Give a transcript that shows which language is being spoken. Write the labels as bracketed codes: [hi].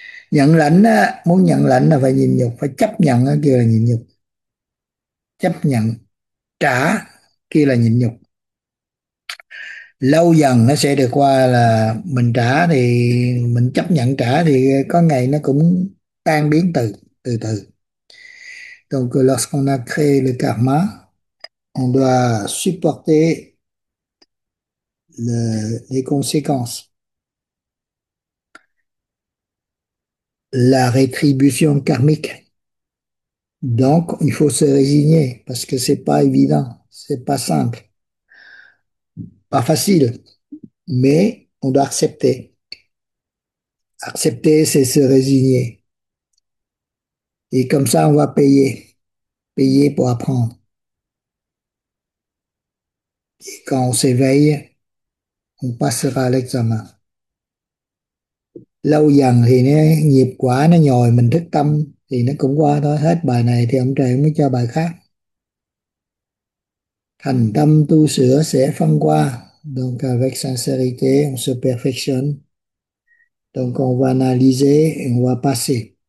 [vi] Nhận lãnh á, muốn nhận lãnh là phải nhịn nhục, phải chấp nhận á, kêu là nhịn nhục. Chấp nhận trả kia là nhịn nhục. Lâu dần nó sẽ được qua, là mình trả thì mình chấp nhận trả thì có ngày nó cũng tan biến từ từ từ. [fr] Donc lorsqu'on a créé le karma, on doit supporter les conséquences. La rétribution karmique. Donc, il faut se résigner parce que c'est pas évident, c'est pas simple, pas facile, mais on doit accepter. Accepter, c'est se résigner. Et comme ça, on va payer, payer pour apprendre. Et quand on s'éveille, on passera à l'examen. [vi] Lâu dần thì nghiệp quả nó nhồi mình thức tâm thì nó cũng qua thôi, hết bài này thì ông trời mới cho bài khác. Thành tâm tu sửa sẽ phân qua, [fr] donc avec sincérité on se perfectionne, donc on va analyser, on va passer.